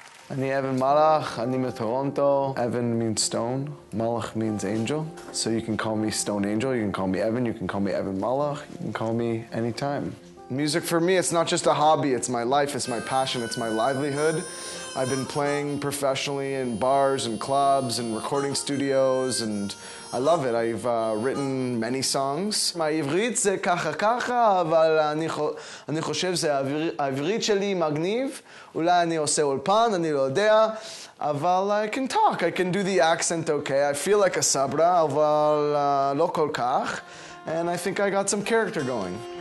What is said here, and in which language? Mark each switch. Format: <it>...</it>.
<he>אני אבן מלאך, אני מטורונטו.</he> <en>אבן means stone, מלאך means angel. So you can call me stone angel, you can call me Evan, you can call me אבן מלאך, you can call me anytime. Music for me, it's not just a hobby, it's my life, it's my passion, it's my livelihood. I've been playing professionally in bars and clubs and recording studios and I love it. I've written many songs. My</en> <he>עברית זה ככה ככה, אבל אני חושב זה העברית שלי מגניב. אולי אני עושה אולפן, אני לא יודע, אבל</he> <en>I can talk. I can do the accent okay. I feel like a sabra,</en> <he>אבל לא כל כך.</he> <en>And I think I got some character going.</en>